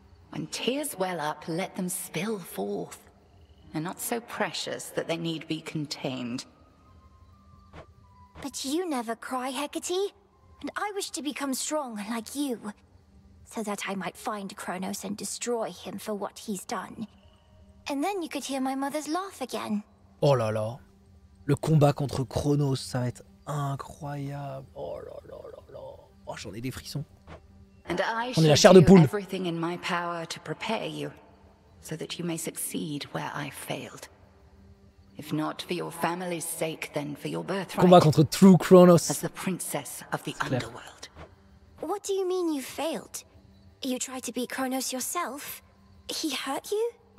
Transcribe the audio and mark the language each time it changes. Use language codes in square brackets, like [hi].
[en] When tears well up, let them spill forth. They're not so precious that they need be contained. But you never cry, Hecate. And I wish to become strong like you. So that I might find Kronos and destroy him for what he's done. And then you could hear my mother's laugh again. [fr] Oh là là. Le combat contre Kronos, ça va être incroyable. Oh là là. Oh, j'en ai des frissons. [en] And I [fr] on est la chair de poule. [en] Everything in my power to prepare you so that you may succeed where I failed. If not for your family's sake, then for your birthright. [fr] Combat contre True Kronos. [en] As the princess of the underworld. What do you mean you failed? You tried to beat Kronos yourself? He hurt you?